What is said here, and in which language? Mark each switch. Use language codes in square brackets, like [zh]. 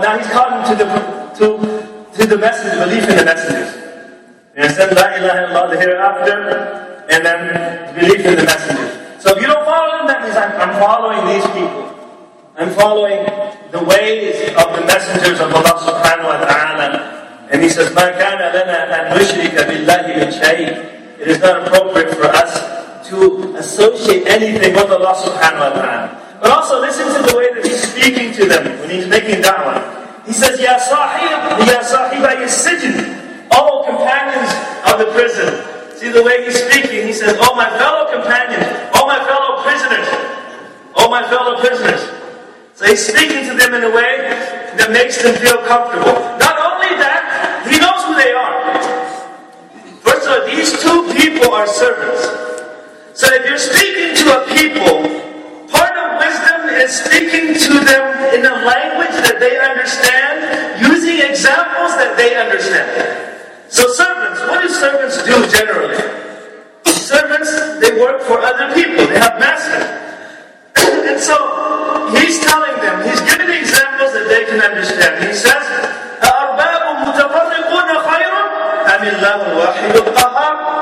[en] Now he's calling to the message, belief in the messengers. You understand? La ilaha illallah, the hereafter, and then belief in the messenger. So if you don't follow them, that means I'm following these people. I'm following the ways of the messengers of Allah subhanahu wa ta'ala. And he says, [ar] مَا كَانَ لَنَا أَنْ نُشْرِكَ بِاللَّهِ مِنْ شَيْءٍ. [en] It is not appropriate for us to associate anything with Allah subhanahu wa ta'ala. But also listen to the way that he's speaking to them when he's making da'wah. He says, [ar] يَا صَاحِبَيِ السِّجْنِ. [en] All companions of the prison. See the way he's speaking. He says, oh my fellow companions, oh my fellow prisoners, oh my fellow prisoners. So he's speaking to them in a way that makes them feel comfortable. Not only that, he knows who they are. First of all, these two people are servants. So if you're speaking to a people, part of wisdom is speaking to them in a language that they understand, using examples that they understand. So servants, what do servants do generally? Servants, they work for other people, they have masters. And so, he's telling them, he's giving the examples that they can understand. He says, [ar] أَأَرْبَابٌ مُتَفَرِّقُونَ خَيْرٌ أَمِ اللَّهُ وَاحِدُ الْقَهَارُ.